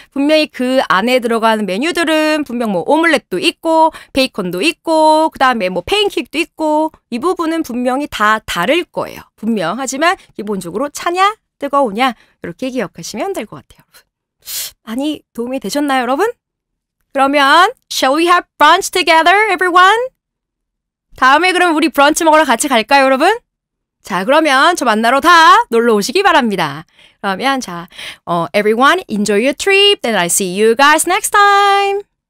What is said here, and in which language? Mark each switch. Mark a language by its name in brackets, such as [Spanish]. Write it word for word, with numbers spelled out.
[Korean] 분명히 그 안에 들어가는 메뉴들은 분명 뭐 오믈렛도 있고 베이컨도 있고 그 다음에 뭐 팬케이크도 있고 이 부분은 분명히 다 다를 거예요. 분명 하지만 기본적으로 차냐 뜨거우냐 이렇게 기억하시면 될 것 같아요. 여러분. 많이 도움이 되셨나요 여러분? [English] 그러면 Shall we have brunch together everyone? [Korean] 다음에 그럼 우리 브런치 먹으러 같이 갈까요 여러분? 자, 그러면 저 만나러 다 놀러 오시기 바랍니다. [English] 그러면 자, 어, everyone enjoy your trip and I see you guys next time.